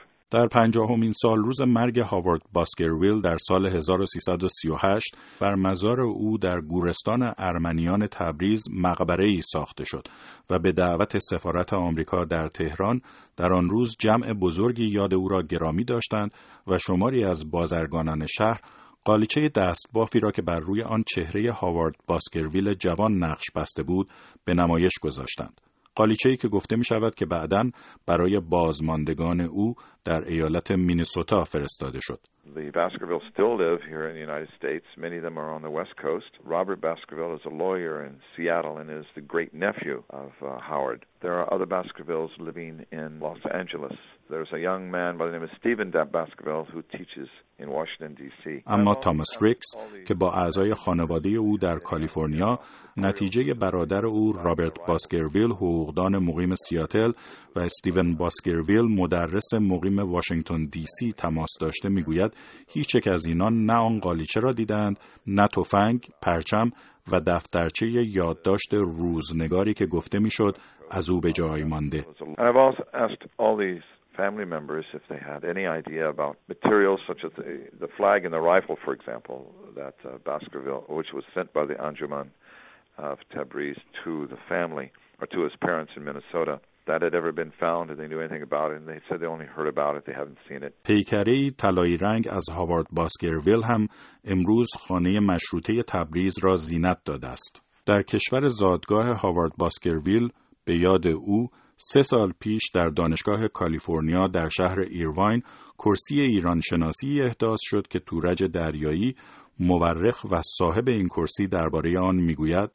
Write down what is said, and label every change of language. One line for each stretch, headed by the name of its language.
Persian: در 50th سال روز مرگ هاوارد باسکرویل در سال 1338 بر مزار او در گورستان ارمنیان تبریز مقبره‌ای ساخته شد و به دعوت سفارت آمریکا در تهران در آن روز جمع بزرگی یاد او را گرامی داشتند و شماری از بازرگانان شهر قالیچه دستبافی را که بر روی آن چهره هاوارد باسکرویل جوان نقش بسته بود به نمایش گذاشتند. قالیچه‌ای که گفته می‌شود که بعداً برای بازماندگان او در ایالت مینیسوتا فرستاده شد.
English: The Baskervilles still live here in the United States. Many of them are on the West Coast. Robert Baskerville is a lawyer in Seattle and is the great nephew of Howard. There are other Baskervilles living in Los Angeles. There's a young man by the name of Stephen Baskerville who teaches in Washington D.C.
Persian: اما تامس ریکس که با اعضای خانواده او در کالیفرنیا، نتیجه برادر او رابرت باسکرویل حقوقدان مقیم سیاتل و استیون باسکرویل مدرس مقیم واشنگتن D.C. تماس داشته میگوید هیچ یک از اینان نه آن قالیچه را دیدند، نه تفنگ، پرچم و دفترچه یادداشت روزنگاری که گفته میشد از او به جای مانده.
English: I've also asked all these family members, if they had any idea about materials such as the flag and the rifle, for example, that Baskerville, which was sent by the Anjuman of Tabriz to the family or to his parents in Minnesota, that had ever been found, and they knew anything about it, and they said they only heard about it, they haven't seen it.
Persian: پیکره طلایی رنگ از هاوارد باسکرویل هم امروز خانه مشروطه تبریز را زینت داده است. در کشور زادگاه هاوارد باسکرویل به یاد او 3 سال پیش در دانشگاه کالیفرنیا در شهر ایرواین کرسی ایران شناسی احداث شد که تورج دریایی مورخ و صاحب این کرسی درباره آن میگوید